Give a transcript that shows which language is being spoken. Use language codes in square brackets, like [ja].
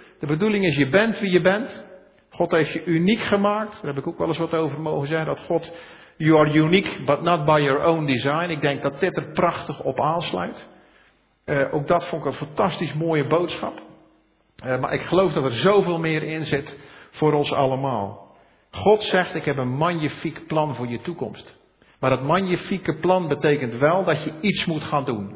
[nl] De bedoeling is, je bent wie je bent. God heeft je uniek gemaakt. Daar heb ik ook wel eens wat over mogen zeggen. Dat God, [en] you are unique, but not by your own design. [nl] Ik denk dat dit er prachtig op aansluit. Ook dat vond ik een fantastisch mooie boodschap. Maar ik geloof dat er zoveel meer in zit voor ons allemaal. God zegt, ik heb een magnifiek plan voor je toekomst. Maar dat magnifieke plan betekent wel dat je iets moet gaan doen.